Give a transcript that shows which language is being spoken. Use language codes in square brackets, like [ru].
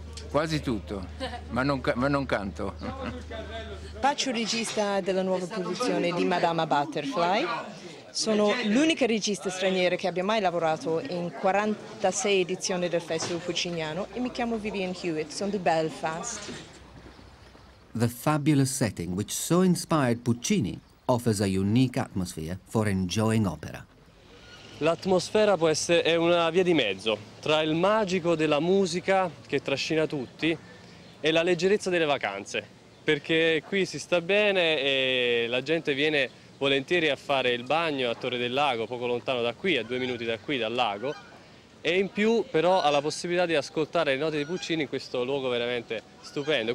[it] Quasi tutto, ma non canto. Faccio il regista della nuova produzione di Madama Butterfly. Sono l'unica regista straniera che abbia mai lavorato in 46 edizioni del Festival Pucciniano e mi chiamo Vivian Hewitt, sono di Belfast. [en] The fabulous setting which so inspired Puccini offers a unique atmosphere for enjoying opera. [it] L'atmosfera può essere è una via di mezzo tra il magico della musica che trascina tutti e la leggerezza delle vacanze, perché qui si sta bene e la gente viene volentieri a fare il bagno a Torre del Lago, poco lontano da qui, a 2 minuti da qui dal lago, e in più però ha la possibilità di ascoltare le note di Puccini in questo luogo veramente stupendo.